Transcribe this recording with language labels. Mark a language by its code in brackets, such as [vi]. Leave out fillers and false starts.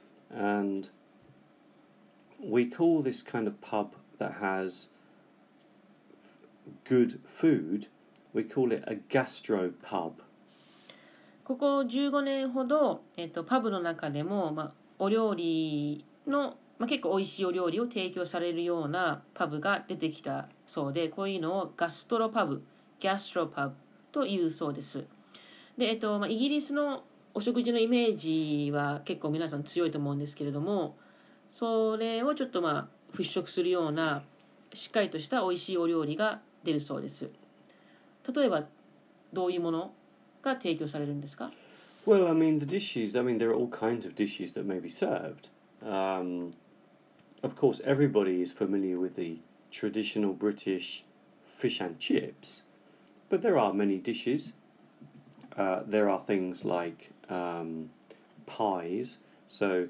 [en] And we call this kind of pub that has good food, we call it a gastro pub. [ja] ここ15年ほど、パブの中でも、まあ、お料理の、まあ、結構おいしいお料理を提供されるようなパブが出てきたそうで、こういうのをガストロパブ、ギャストロパブというそうです。で、まあ、イギリスのお食事のイメージは結構皆さん強いと思うんですけれども、それをちょっとまあ払拭するようなしっかりとした美味しいお料理が出るそうです。例えばどういうものが提供されるんですか？ [en] Well, I mean, the dishes, I mean, there are all kinds of dishes that may be served. Of course, everybody is familiar with the traditional British fish and chips, but there are many dishes. There are things like pies, so...